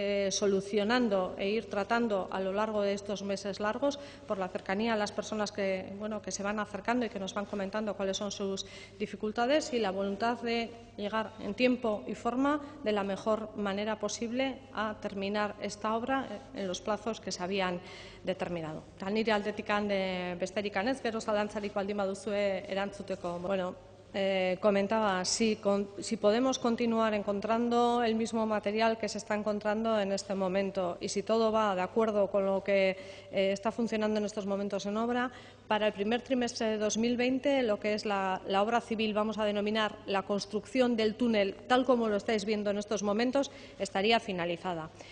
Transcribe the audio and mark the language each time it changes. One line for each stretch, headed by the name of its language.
Spanish: solucionando e ir tratando a lo largo de estos meses largos, por la cercanía a las personas que, bueno, que se van acercando y que nos van comentando cuáles son sus dificultades, y la voluntad de llegar en tiempo y forma de la mejor manera posible a terminar esta obra en los plazos que se habían determinado.
Basque: Tanire aldetikan besterik ez, gero zalantzarik baldin baduzue erantzuteko.
Spanish: Bueno, comentaba, si podemos continuar encontrando el mismo material que se está encontrando en este momento y si todo va de acuerdo con lo que está funcionando en estos momentos en obra, para el primer trimestre de 2020, lo que es la obra civil, vamos a denominar la construcción del túnel tal como lo estáis viendo en estos momentos, estaría finalizada.